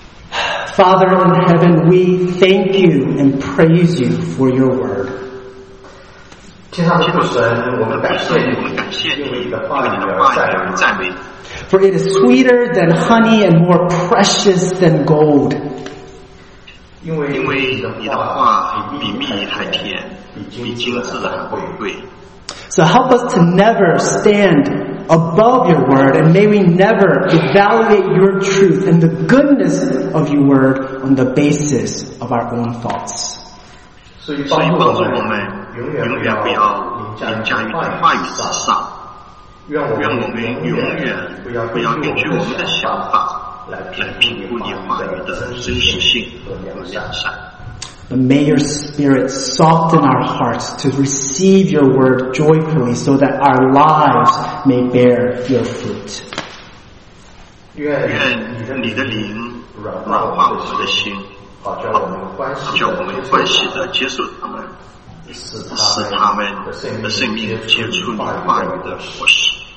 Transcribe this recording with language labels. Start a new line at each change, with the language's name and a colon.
English: Father in heaven, we thank you and praise you for your word.
Chinese: 天上的父神，我们感谢你，赞美。
English: For it is sweeter than honey and more precious than gold.
Chinese: 因为你的话比蜜还甜，比金子还贵。
English: So help us to never stand above your word, and may we never evaluate your truth and the goodness of your word on the basis of our own thoughts.
Chinese: 所以帮助我们永远不要凌驾于祂的话语之上，愿我们永远不要根据我们的想法来评估祂话语的真实性和良善。
English: But may your spirit soften our hearts to receive your word joyfully so that our lives may bear your fruit.
Chinese: 愿你的灵软化我们的心，叫我们欢喜地接受他们，使他们的生命结出你话语的果实。